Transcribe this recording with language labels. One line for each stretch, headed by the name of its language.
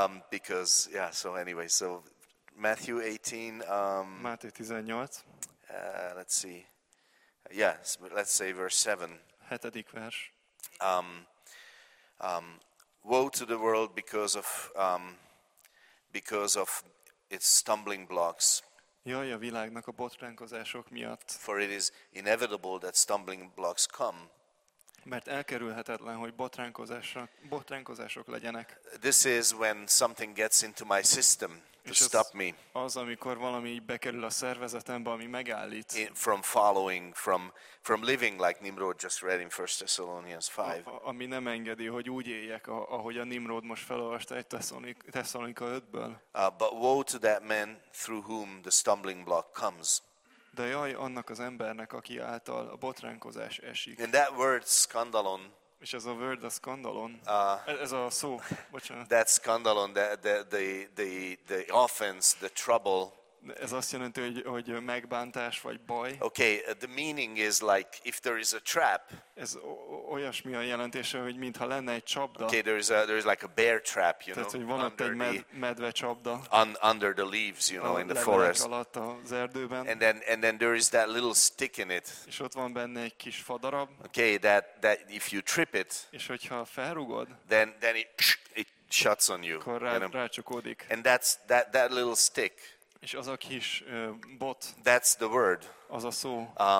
English: Because yeah. So anyway, so Matthew 18.
Hungarian: Máté 18.
English: Let's see. Yes, yeah, so let's say verse 7.
Hungarian: Hetedik vers.
English: Woe to the world because of its stumbling blocks.
Hungarian: Jaj a világnak a botránkozások miatt.
English: For it is inevitable that stumbling blocks come.
Hungarian: Mert elkerülhetetlen, hogy botránkozások legyenek.
English: This is when something gets into my system to stop me.
Hungarian: Az, amikor valami bekerül a szervezetembe, ami megállít.
English: From following, from living like Nimrod just read in 1 Thessalonians 5.
Hungarian: Ami nem engedi, hogy úgy éljek, ahogy a Nimrod most felolvasta egy Tesszalonika 5-ből.
English: But woe to that man through whom the stumbling block comes.
Hungarian: De jaj annak az embernek, aki által a botránkozás esik.
English: And that word skandalon.
Hungarian: És ez a word a skandalon. Ez a szó, bocsánat.
English: That skandalon, the offense, the trouble.
Hungarian: Ez azt jelenti, hogy megbántás vagy baj.
English: Okay, the meaning is like if there is a trap.
Hungarian: Ez olyasmi a jelentése, hogy mintha lenne egy csapda.
English: Okay, there is like a bear trap, you
Hungarian: tehát,
English: know.
Hungarian: Tehát van ott egy medve csapda.
English: Under the leaves, you know, in the forest.
Hungarian: Alatt az erdőben.
English: And then there is that little stick in it.
Hungarian: És ott van benne egy kis fadarab.
English: Okay, that if you trip it.
Hungarian: És hogyha felrugod.
English: Then it shuts on you.
Hungarian: Akkor rácsukódik.
English: And that's that little stick.
Hungarian: És az a kis bot.
English: That's the word.
Hungarian: Az a szó.